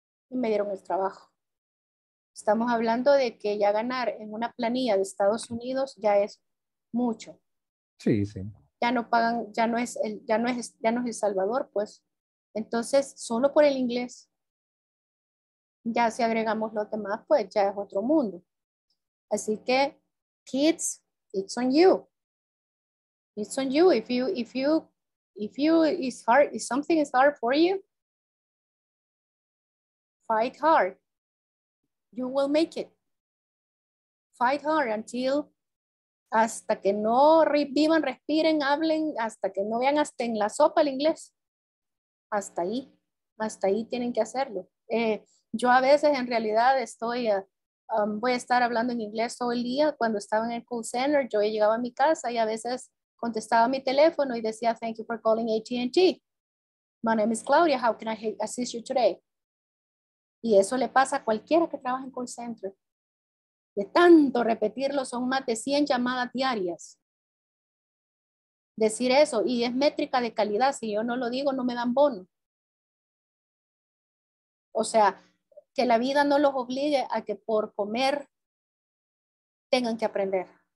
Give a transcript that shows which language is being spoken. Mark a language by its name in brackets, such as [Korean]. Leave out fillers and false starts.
[Spanish] Y me dieron el trabajo. Estamos hablando de que ya ganar en una planilla de Estados Unidos ya es mucho. Sí, sí. Ya no pagan, ya no es El Salvador, pues. Entonces, solo por el inglés, ya si agregamos los demás, pues ya es otro mundo. Así que, [English] kids, it's on you. It's on you if something is hard for you, fight hard. You will make it. Fight hard [Spanish] hasta que no vivan, respiren, hablen, hasta que no vean hasta en la sopa el inglés. Hasta ahí tienen que hacerlo. Yo a veces en realidad voy a estar hablando en inglés todo el día. Cuando estaba en el call center, yo llegaba a mi casa y a veces contestaba mi teléfono y decía, [English] thank you for calling AT&T. My name is Claudia, how can I assist you today? [Spanish] Y eso le pasa a cualquiera que trabaja en call center. De tanto repetirlo, son más de 100 llamadas diarias. Decir eso, y es métrica de calidad, si yo no lo digo, no me dan bono. O sea, que la vida no los obligue a que por comer tengan que aprender.